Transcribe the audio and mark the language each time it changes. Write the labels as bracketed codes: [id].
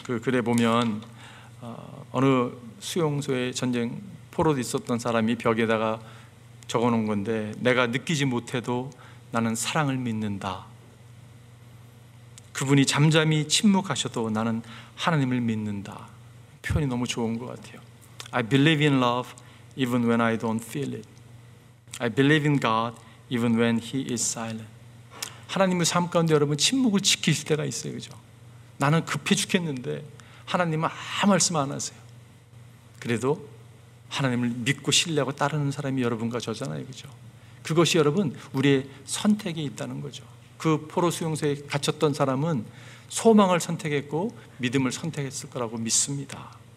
[ko] 그 글에 보면 어느 수용소에 전쟁 포로도 있었던 사람이 벽에다가 적어놓은 건데, 내가 느끼지 못해도 나는 사랑을 믿는다. 그분이 잠잠히 침묵하셔도 나는 하나님을 믿는다. 표현이 너무 좋은 것 같아요. [en] I believe in love even when I don't feel it. I believe in God even when he is silent. [ko] 하나님의 삶 가운데 여러분 침묵을 지킬 때가 있어요, 그죠? 나는 급해 죽겠는데 하나님은 아무 말씀 안 하세요. 그래도 하나님을 믿고 신뢰하고 따르는 사람이 여러분과 저잖아요, 그죠? 그것이 여러분 우리의 선택에 있다는 거죠. 그 포로 수용소에 갇혔던 사람은 소망을 선택했고 믿음을 선택했을 거라고 믿습니다.